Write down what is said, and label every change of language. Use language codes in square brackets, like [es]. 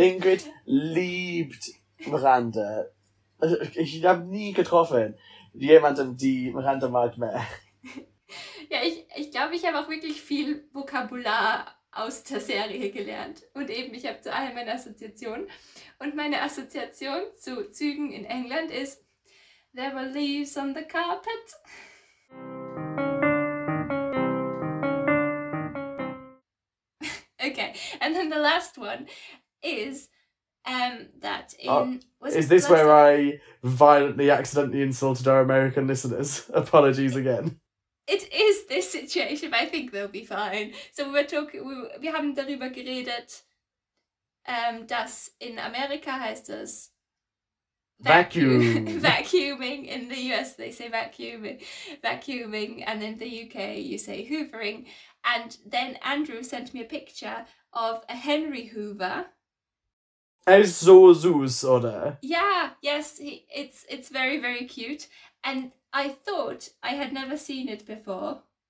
[de] Ingrid liebt Miranda. Ich habe nie getroffen jemanden, die Miranda mag mehr. Ja, ich glaube, ich habe auch wirklich viel Vokabular aus der Serie gelernt. Und eben, ich habe zu allem eine Assoziation. Und meine Assoziation zu Zügen in England ist: [en] There were leaves on the carpet. Okay, and then the last one is that in... I violently accidentally insulted our American listeners? Apologies again. It is this situation, but I think they'll be fine. [de] So wir haben darüber geredet, dass in Amerika heißt es... [en] Vacuuming. In the US they say vacuuming, and in the UK you say hoovering. And then Andrew sent me a picture of a Henry Hoover. [de] Er ist so süß, oder? [en] Yeah, yes, it's very, very cute. And I thought I had never seen it before.